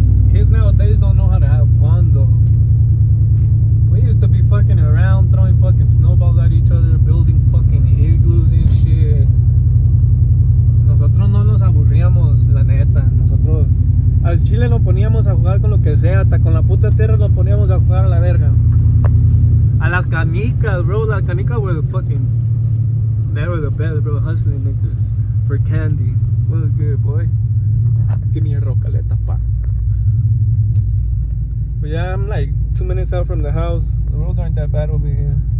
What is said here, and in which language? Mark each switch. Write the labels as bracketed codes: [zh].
[en] Kids nowadays don't know how to have fun though. To be fucking around throwing fucking snowballs at each other, building fucking igloos and shit. [es] Nosotros no nos aburríamos, la neta. Nosotros al chile lo poníamos a jugar con lo que sea, hasta con la puta tierra lo poníamos a jugar a la verga. A las canicas, bro. Las canicas [en] were the fucking, they were the best, bro. Hustling niggas for candy. What a good boy. Give me a rocaleta, pa. But yeah, I'm like 2 minutes out from the house. The roads aren't that bad over here.